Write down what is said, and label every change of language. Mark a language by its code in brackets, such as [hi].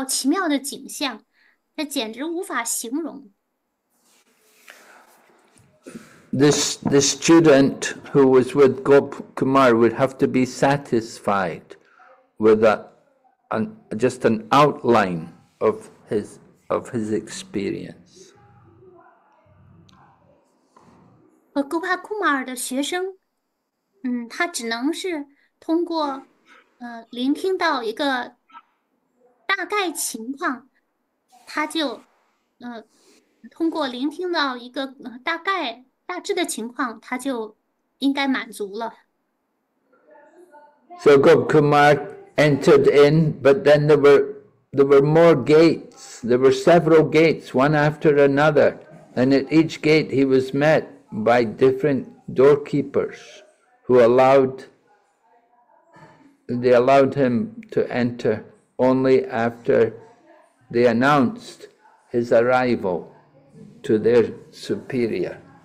[zh] 当Gopakumar进入Vaikuntha的时候，他见到奇妙的景象，他简直无法形容。 [en] This student who was with Gop Kumar would have to be satisfied with just an outline of his experience. [zh] Gop Kumar的学生，他只能是通过聆听到一个大概情况，他就通过聆听到一个大概。大致的情况，他就应该满足了。 [en] So Gop Kumar entered in, but then there were more gates. There were several gates, one after another, and at each gate he was met by different doorkeepers who allowed him to enter only after they announced his arrival to their superior.